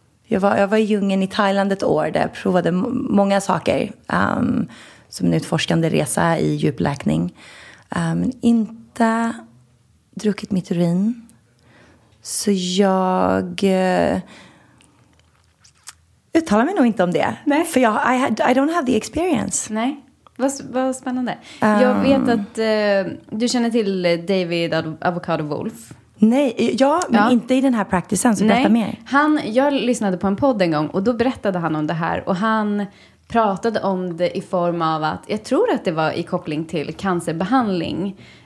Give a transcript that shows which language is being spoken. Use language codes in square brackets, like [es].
[sv] Jag var i djungeln i Thailand ett år där jag provade många saker. Som en utforskande resa i djupläkning. Inte druckit mitt urin. Så jag uttalar mig nog inte om det. Nej. För jag, [en] I don't have the experience. [sv] Nej. Vad spännande. Jag vet att du känner till David Avocado Wolf. Nej, inte i den här praktisen, så berätta mer. Jag lyssnade på en podd en gång och då berättade han om det här. Och han pratade om det i form av att, jag tror att det var i koppling till cancerbehandling.